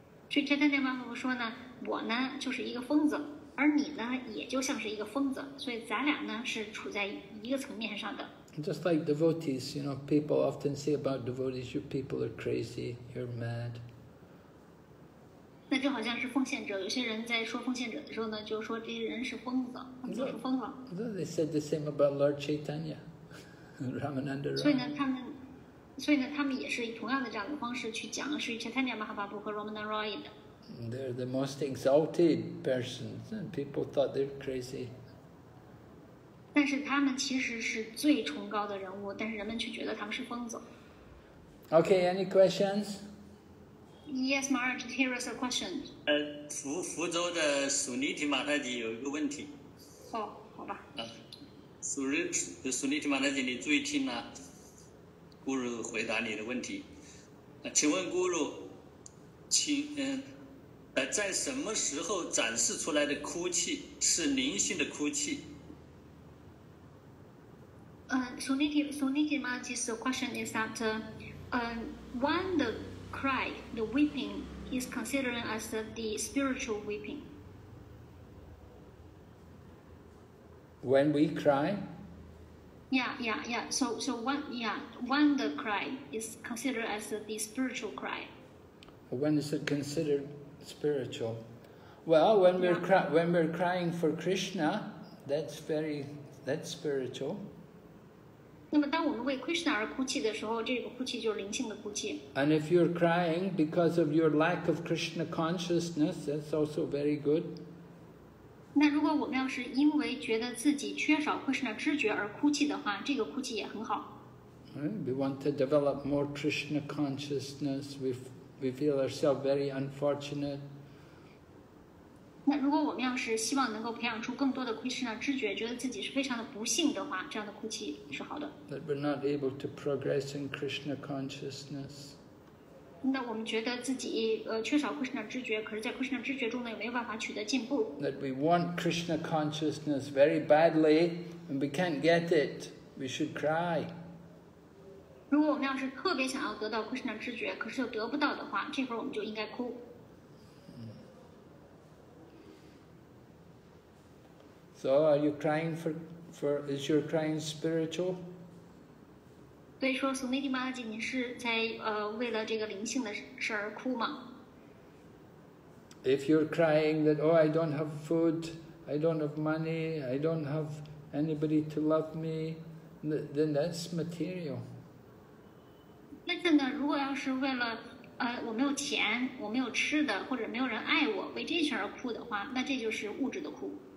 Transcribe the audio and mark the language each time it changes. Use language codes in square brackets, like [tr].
[zh] Sri Caitanya Mahaprabhu 说呢，我呢就是一个疯子，而你呢也就像是一个疯子，所以咱俩呢是处在一个层面上的。 [en] Just like devotees, you know, people often say about devotees, "You people are crazy, you're mad." [zh] 那就好像是奉献者，有些人在说奉献者的时候呢，就说这些人是疯子，他们就是疯了。 [en] Though they said the same about Lord Chaitanya, Ramananda Roy. [zh] 所以呢，他们也是同样的这样的方式去讲是 Caitanya Mahaprabhu 和 Ramananda Roy 的。 [en] They're the most exalted persons, and people thought they're crazy. [zh] 但是他们其实是最崇高的人物，但是人们却觉得他们是疯子。 [en] Okay, any questions? Yes, Maharaj, here is a question. [zh] 福州的苏尼提马太吉有一个问题。好吧。苏尼提马太吉，你注意听了、Guru 回答你的问题。请问 Guru， 请在什么时候展示出来的哭泣是灵性的哭泣？ [en] Suniti Maharaj's question is that when the cry, the weeping, is considered as the spiritual weeping? When we cry? Yeah. So when the cry is considered as the spiritual cry. When is it considered spiritual? Well, when we're crying for Krishna, that's spiritual. [zh] 那么当我们为 Krishna 而哭泣的时候，这个哭泣就是灵性的哭泣。 [en] And if you're crying because of your lack of Krishna consciousness, that's also very good. [zh] 那如果我们要是因为觉得自己缺少 Krishna 知觉而哭泣的话，这个哭泣也很好。 [en] We want to develop more Krishna consciousness. We feel ourselves very unfortunate. [zh] 那如果我们要是希望能够培养出更多的 Krishna 知觉，觉得自己是非常的不幸的话，这样的哭泣是好的。 [en] That we're not able to progress in Krishna consciousness. [zh] 那我们觉得自己缺少 Krishna 知觉，可是在 Krishna 知觉中呢，也没有办法取得进步。 [en] That we want Krishna consciousness very badly and we can't get it, we should cry. [zh] 如果我们要是特别想要得到 Krishna 知觉，可是又得不到的话，这会儿我们就应该哭。 [en] So are you crying for is your crying spiritual? [zh] 所以说 Suniti Maharaj， 你是在为了这个灵性的事而哭吗？ [en] If you're crying that oh I don't have food, I don't have money, I don't have anybody to love me, then that's material. [zh] 但是呢，如果要是为了我没有钱，我没有吃的，或者没有人爱我，为这事而哭的话，那这就是物质的哭。